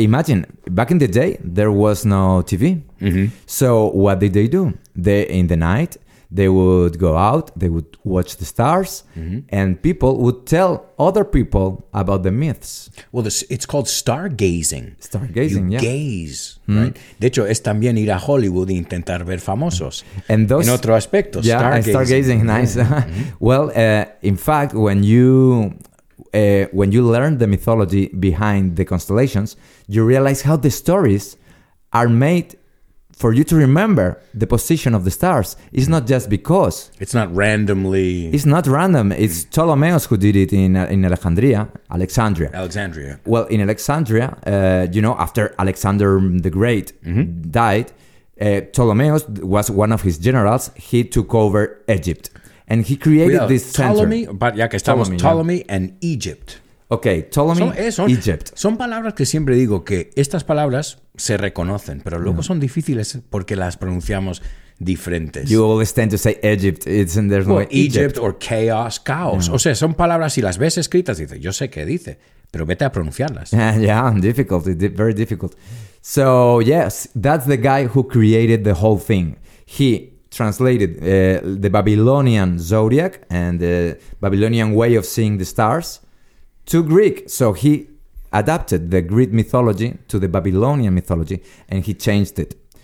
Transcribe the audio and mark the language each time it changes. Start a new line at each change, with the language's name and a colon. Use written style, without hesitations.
English: Imagine, back in the day, there was no TV. Mm-hmm. So what did they do? In the night, they would go out, they would watch the stars, mm-hmm. and people would tell other people about the myths. Well, it's called stargazing. Stargazing, you yeah. gaze, mm-hmm. right?
Spanish: De hecho, es también ir a Hollywood e intentar ver famosos.
English: And those,
Spanish: en otro aspecto,
English: yeah, stargazing. Yeah, stargazing, nice. Yeah. Mm-hmm. Well, in fact, when you learn the mythology behind the constellations, you realize how the stories are made for you to remember the position of the stars. It's not just because. It's not randomly. It's not random. It's Ptolemaeus who did it in Alexandria. Alexandria. Well, in Alexandria, you know, after Alexander the Great mm-hmm. died, Ptolemaeus was one of his generals. He took over Egypt. And he created this Ptolemy, center. But
Spanish: ya que estamos,
English: Ptolemy yeah. and Egypt. Okay, Ptolemy, Egypt.
Spanish: Son palabras que siempre digo que estas palabras se reconocen, pero luego son difíciles porque las pronunciamos diferentes.
English: You always tend to say Egypt. It's in there. Egypt or chaos, caos.
Spanish: Yeah. O sea, son palabras, si las ves escritas, dices, yo sé qué dice, pero vete a pronunciarlas.
English: Yeah, difficult. Very difficult. So, yes, that's the guy who created the whole thing. He translated the Babylonian zodiac and the Babylonian way of seeing the stars to Greek. So he adapted the Greek mythology to the Babylonian mythology and he changed it.